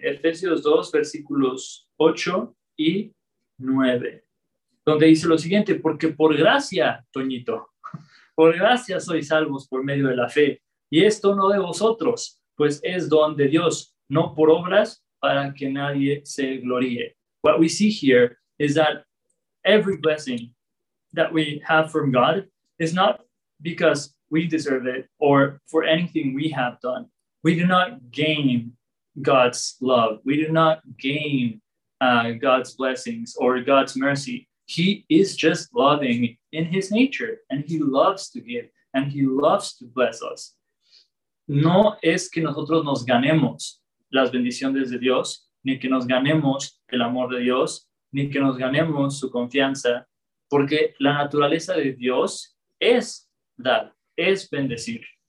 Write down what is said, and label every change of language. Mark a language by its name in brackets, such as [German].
[Spanish] Efesios 2, versículos 8 y 9. Donde dice lo siguiente, porque por gracia, Toñito, por gracia sois salvos por medio de la fe. Y esto no de vosotros, pues es don de Dios. No por obras para que nadie se gloríe. [English] What we see here is that every blessing that we have from God is not because we deserve it or for anything we have done. We do not gain God's love. We do not gain God's blessings or God's mercy. He is just loving in his nature, and he loves to give, and he loves to bless us. [Spanish] No es que nosotros nos ganemos las bendiciones de Dios, ni que nos ganemos el amor de Dios, ni que nos ganemos su confianza, porque la naturaleza de Dios es dar, es bendecir.